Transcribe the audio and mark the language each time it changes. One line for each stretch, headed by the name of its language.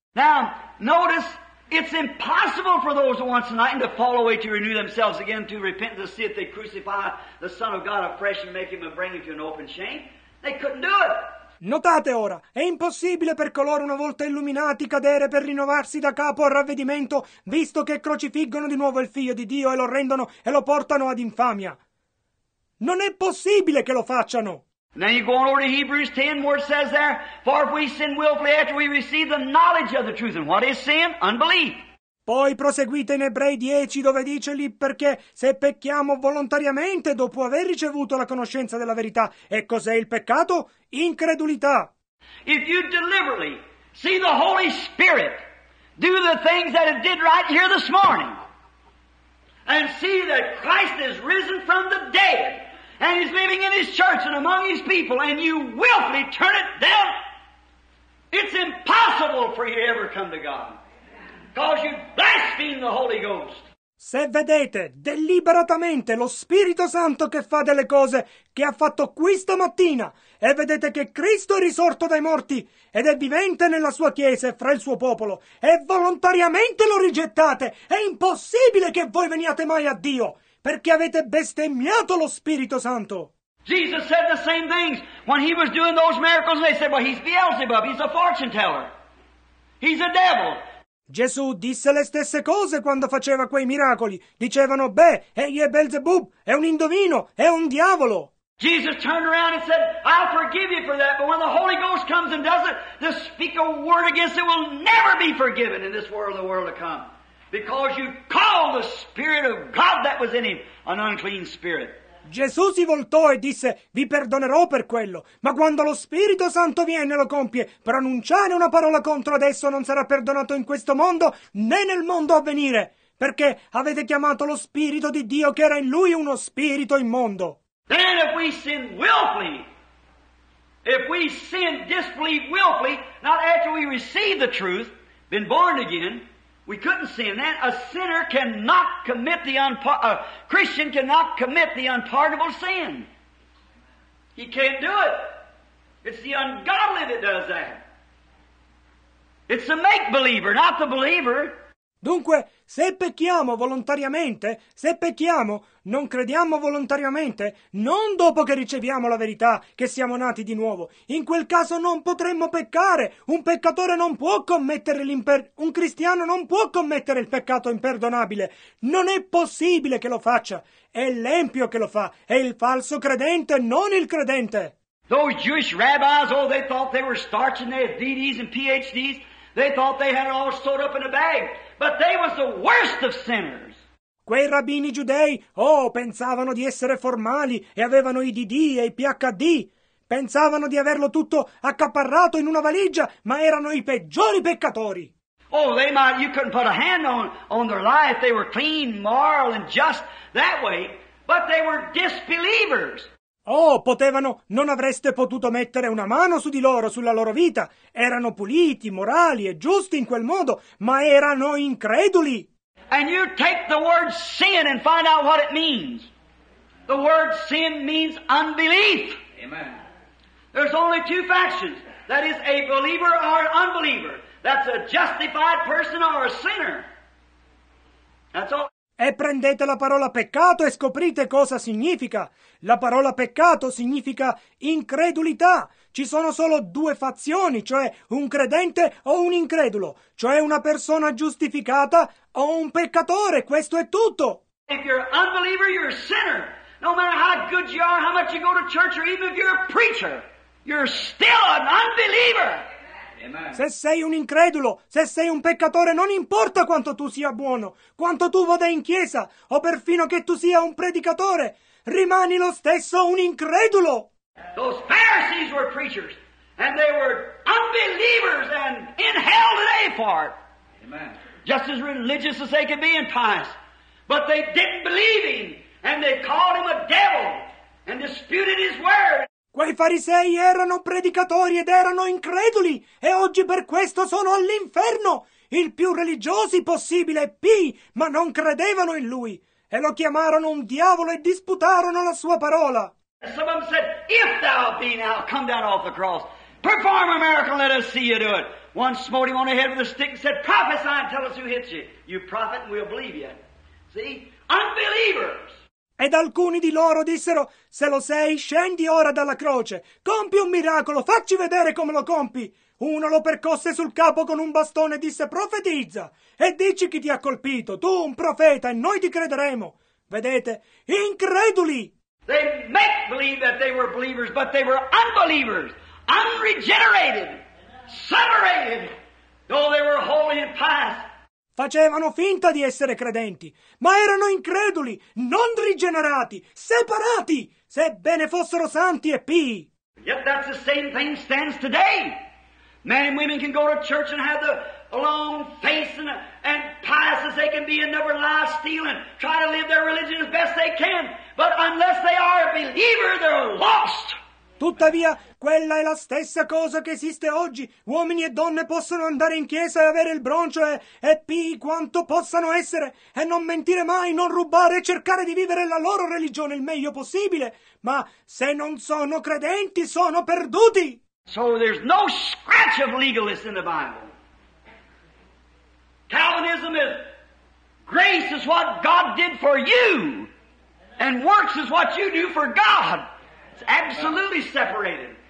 English: Now, notice, it's impossible for those who once enlightened to fall away to renew themselves again, to repent and to see if they crucify the Son of God afresh and make him and bring him to an open shame. They couldn't do it.
Italian: Notate ora, è impossibile per coloro una volta illuminati cadere per rinnovarsi da capo al ravvedimento, visto che crocifiggono di nuovo il figlio di Dio e lo rendono e lo portano ad infamia. Non è possibile che lo facciano!
English: Now you go on over to Hebrews 10, where it says there, for if we sin willfully after we receive the knowledge of the truth, and what is sin? Unbelief.
Italian: Poi proseguite in Ebrei 10, dove dice lì, perché se pecchiamo volontariamente dopo aver ricevuto la conoscenza della verità, e cos'è il peccato? Incredulità.
English: If you deliberately see the Holy Spirit do the things that it did right here this morning, and see that Christ is risen from the dead, and he's living in his church and among his people, and you willfully turn it down, it's impossible for you to ever come to God. Because you blaspheme the Holy Ghost.
Italian: Se vedete deliberatamente lo Spirito Santo che fa delle cose che ha fatto qui stamattina, e vedete che Cristo è risorto dai morti ed è vivente nella sua Chiesa e fra il suo popolo, e volontariamente lo rigettate, è impossibile che voi veniate mai a Dio, perché avete bestemmiato lo Spirito Santo.
English: Jesus said the same things when he was doing those miracles, and they said, well, he's Beelzebub, he's a fortune teller, he's a devil.
Italian: Gesù disse le stesse cose quando faceva quei miracoli. Dicevano, beh, egli è Beelzebub, è un indovino, è un diavolo.
English: Jesus turned around and said, I'll forgive you for that, but when the Holy Ghost comes and does it, just speak a word against it, will never be forgiven in this world or the world to come. Because you call the Spirit of God that was in him an unclean spirit.
Italian: Gesù si voltò e disse, vi perdonerò per quello, ma quando lo Spirito Santo viene e lo compie, pronunciare una parola contro adesso non sarà perdonato in questo mondo, né nel mondo a venire, perché avete chiamato lo Spirito di Dio che era in lui uno spirito immondo.
English: Then if we sin willfully, if we sin disbelieve willfully, not after we receive the truth, been born again, we couldn't sin that. A sinner cannot commit the a Christian cannot commit the unpardonable sin. He can't do it. It's the ungodly that does that. It's the make-believer, not the believer.
Italian: Dunque, se pecchiamo volontariamente, se pecchiamo, non crediamo volontariamente, non dopo che riceviamo la verità, che siamo nati di nuovo. In quel caso non potremmo peccare. Un peccatore non può commettere un cristiano non può commettere il peccato imperdonabile. Non è possibile che lo faccia. È l'empio che lo fa. È il falso credente, non il credente.
English: Those Jewish rabbis, oh, they thought they were starching their DDs and PhDs. They thought they had it all stored up in a bag. But they was the worst of sinners.
Italian: Quei rabbini giudei, oh, pensavano di essere formali e avevano i DD e i PhD. Pensavano di averlo tutto accaparrato in una valigia, ma erano i peggiori peccatori.
English: Oh, they might, you couldn't put a hand on their life. They were clean, moral, and just that way. But they were disbelievers.
Italian: Oh, potevano, non avreste potuto mettere una mano su di loro, sulla loro vita. Erano puliti, morali e giusti in quel modo, ma erano increduli.
English: And you take the word sin and find out what it means. The word sin means unbelief. Amen. There's only two factions. That is a believer or an unbeliever. That's a justified person or a sinner. That's all.
Italian: E prendete la parola peccato e scoprite cosa significa. La parola peccato significa incredulità. Ci sono solo due fazioni, cioè un credente o un incredulo, cioè una persona giustificata o un peccatore. Questo è tutto.
English: If you're an unbeliever, you're a sinner. No matter how good you are, how much you go to church, or even if you're a preacher, you're still an unbeliever.
Italian: Se sei un incredulo, se sei un peccatore, non importa quanto tu sia buono, quanto tu vada in chiesa, o perfino che tu sia un predicatore, rimani lo stesso un incredulo.
English: Those Pharisees were preachers, and they were unbelievers, and in hell today for it. Amen. Just as religious as they could be and pious. But they didn't believe him, and they called him a devil, and disputed his word.
Italian: Quei farisei erano predicatori ed erano increduli, e oggi per questo sono all'inferno, il più religiosi possibile, ma non credevano in lui, e lo chiamarono un diavolo e disputarono la sua parola.
English: Some of them said, if thou be now, come down off the cross, perform a miracle, let us see you do it. One smote him on the head with a stick and said, prophesy and tell us who hits you. You prophet, and we'll believe you. See? Unbelievers!
Italian: ed alcuni di loro dissero: «Se lo sei, scendi ora dalla croce, compi un miracolo, facci vedere come lo compi!» Uno lo percosse sul capo con un bastone e disse: «Profetizza e dici chi ti ha colpito, tu un profeta, e noi ti crederemo!» Vedete, increduli!
English: They meant believe that they were believers, but they were unbelievers, unregenerated, separated, though they were holy and pious.
Italian: Facevano finta di essere credenti, ma erano increduli, non rigenerati, separati, sebbene fossero santi e pii.
English: Yet that's the same thing stands today. Men and women can go to church and have the long face and pious as they can be and never lie, steal, and try to live their religion as best they can. But unless they are a believer, they're lost.
Italian: Tuttavia, quella è la stessa cosa che esiste oggi. Uomini e donne possono andare in chiesa e avere il broncio e pii quanto possano essere e non mentire mai, non rubare e cercare di vivere la loro religione il meglio possibile. Ma se non sono credenti, sono perduti.
English: So there's no scratch of legalism in the Bible. Calvinism is grace is what God did for you, and works is what you do for God. It's absolutely separated.